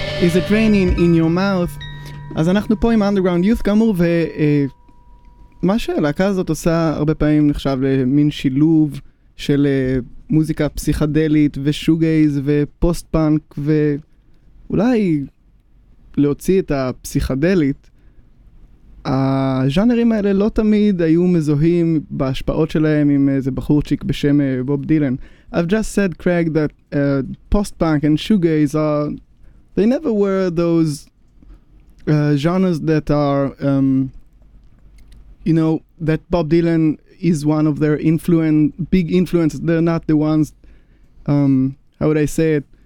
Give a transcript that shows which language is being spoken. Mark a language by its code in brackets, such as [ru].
[en] Is it raining in your mouth? [he] אז אנחנו פה עם underground youth כאמור, ומה שהלהקה הזאת עושה הרבה פעמים נחשב למין שילוב של מוזיקה פסיכדלית ושוגייז ופוסט פאנק, ואולי להוציא את הפסיכדלית, הז'אנרים האלה לא תמיד היו מזוהים בהשפעות שלהם עם איזה בחורצ'יק בשם בוב דילן. [en] I've just said, Craig, that post-punk and shoegaze are... They never were those genres that are, you know, that Bob Dylan is one of their big influences. They're not the ones, how would I say it?